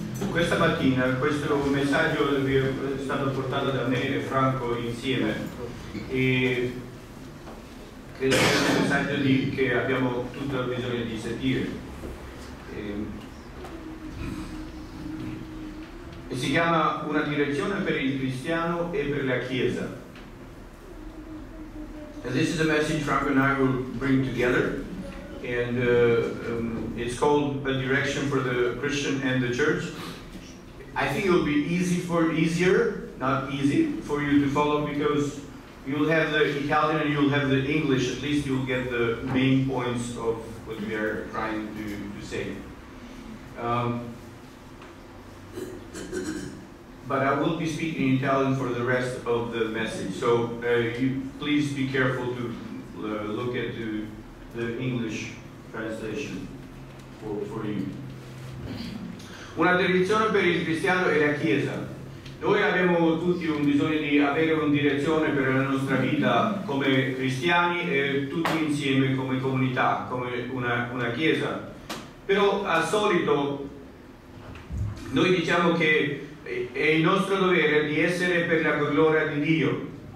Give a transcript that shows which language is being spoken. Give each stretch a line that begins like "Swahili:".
Italian: Questa mattina questo messaggio vi è stato portato da me e Franco insieme, e credo che sia un messaggio che abbiamo tutto bisogno di sentire. E si chiama Una direzione per il cristiano e per la Chiesa.
English: And this is a message Franco and I will bring together. And it's called A Direction for the Christian and the Church. I think it will be easier for you to follow, because you'll have the Italian and you'll have the English. At least you'll get the main points of what we are trying to say. But I will be speaking in Italian for the rest of the message. So you please be careful to look at the English translation for you.
Italian: Una direzione per il cristiano e la Chiesa. Noi abbiamo tutti un bisogno di avere una direzione per la nostra vita come cristiani e tutti insieme come comunità, come una Chiesa. Però al solito noi diciamo che è il nostro dovere di essere per la gloria di Dio.